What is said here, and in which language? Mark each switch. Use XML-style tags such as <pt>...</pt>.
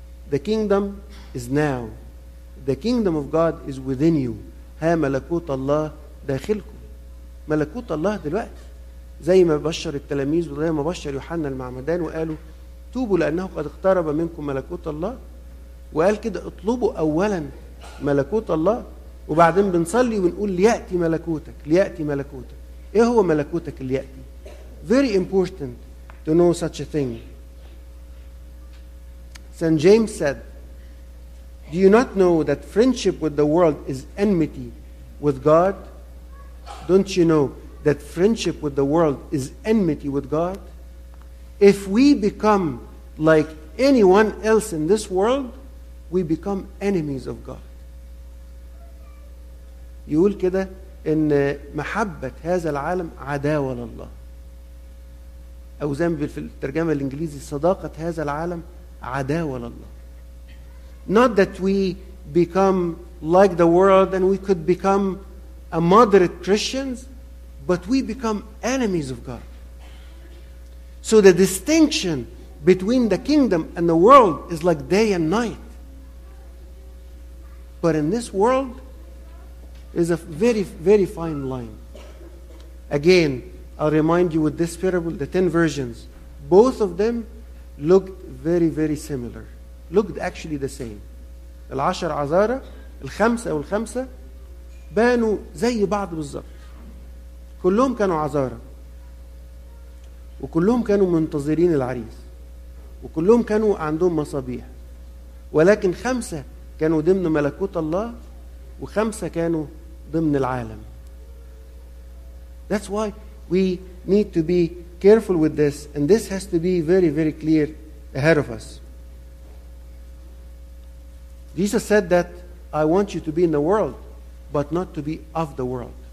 <en>The kingdom is now. The kingdom of God is within you.</en> <ar>ها ملكوت الله داخلكم. ملكوت الله دلوقتي. زي ما بشر التلاميذ وزي ما بشر يوحنا المعمدان وقالوا توبوا لأنه قد اقترب منكم ملكوت الله. وقال كده اطلبوا أولا ملكوت الله وبعدين بنصلي ونقول ليأتي ملكوتك ليأتي ملكوتك. إيه هو ملكوتك اللي يأتي؟</ar> <en>Very important to know such a thing. St. James said, Do you not know that friendship with the world is enmity with God? Don't you know that friendship with the world is enmity with God? If we become like anyone else in this world, we become enemies of God.</en> <ar>يقول كده إن محبة هذا العالم عداوة لله. أو زي ما في الترجمة الإنجليزي صداقة هذا العالم عداوة لله.</ar> <en>Not that we become like the world and we could become a moderate Christians, but we become enemies of God. So the distinction between the kingdom and the world is like day and night. But in this world, is a very, very fine line. Again, I'll remind you with this parable, the 10 virgins, both of them looked very, very similar. Looked actually the same.</en> <ar>العشر عذارة, الخمسة والخمسة, بانوا زي بعض بالظبط. كلهم كانوا عذارة. وكلهم كانوا منتظرين العريس. وكلهم كانوا عندهم مصابيح. ولكن خمسة كانوا ضمن ملكوت الله, وخمسة كانوا ضمن العالم.</ar> <en>That's why we need to be careful with this, and this has to be very, very clear ahead of us. Jesus said that I want you to be in the world, but not to be of the world.</en>